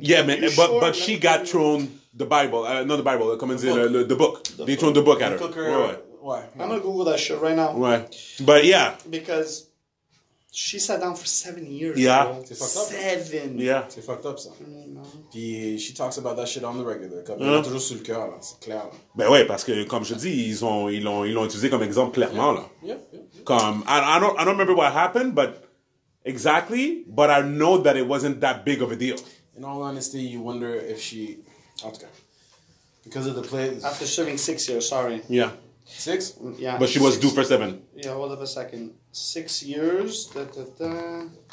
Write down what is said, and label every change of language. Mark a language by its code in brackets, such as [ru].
[en] Yeah, man, but she got thrown the Bible, not the Bible, [fr] comme on dit, [en] the book. They thrown the book at her. Cooker. [fr] Ouais. [en] I'm gonna Google that shit right now. Ouais. But yeah. Because... She sat down for 7 years. Yeah. [fr] C'est [en] fucked up. 7. Yeah. [fr] C'est [en] fucked up, [fr] ça. [en] Puis, she talks about that shit on the regular. [fr] Comme, elle a toujours sur le cœur, là. C'est clair, là. Ben ouais, parce que, comme je dis, ils l'ont utilisé comme exemple clairement, là. [en] Yeah. Comme, I don't remember what happened, but exactly, but I know that it wasn't that big of a deal. In all honesty, you wonder if she... Oh, okay. Because of the play... After serving 6 years, sorry. Yeah. 6? Yeah. But she was due for 7. Yeah, hold up a second. 6 years. Da-da-da.